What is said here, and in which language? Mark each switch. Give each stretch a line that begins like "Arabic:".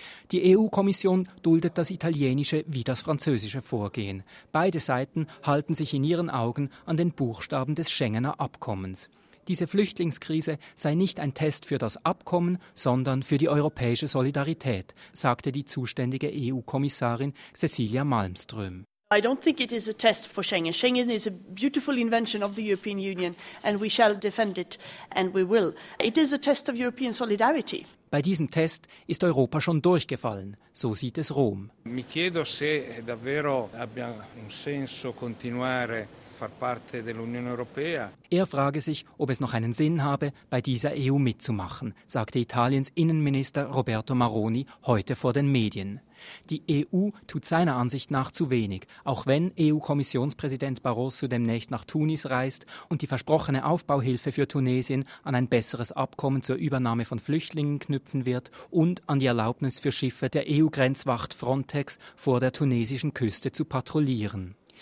German: Die EU-Kommission duldet das italienische wie das französische Vorgehen. Beide Seiten halten sich in ihren Augen an den Buchstaben des Schengener Abkommens. Diese Flüchtlingskrise sei nicht ein Test für das Abkommen, sondern für die europäische Solidarität, sagte die zuständige EU-Kommissarin Cecilia Malmström.
English: I don't think it is a test for Schengen. Schengen is a beautiful invention of the European Union and we shall defend it and we will. It is a test of European solidarity.
German: Bei diesem Test ist Europa schon durchgefallen, so sieht es Rom.
Italian: Mi chiedo se davvero abbia un senso continuare far parte dell'Unione Europea.
German: Er frage sich, ob es noch einen Sinn habe, bei dieser EU mitzumachen, sagte Italiens Innenminister Roberto Maroni heute vor den Medien. Die EU tut seiner Ansicht nach zu wenig, auch wenn EU-Kommissionspräsident Barroso demnächst nach Tunis reist und die versprochene Aufbauhilfe für Tunesien an ein besseres Abkommen zur Übernahme von Flüchtlingen knüpfen wird und an die Erlaubnis für Schiffe der EU-Grenzwacht Frontex vor der tunesischen Küste zu patrouillieren.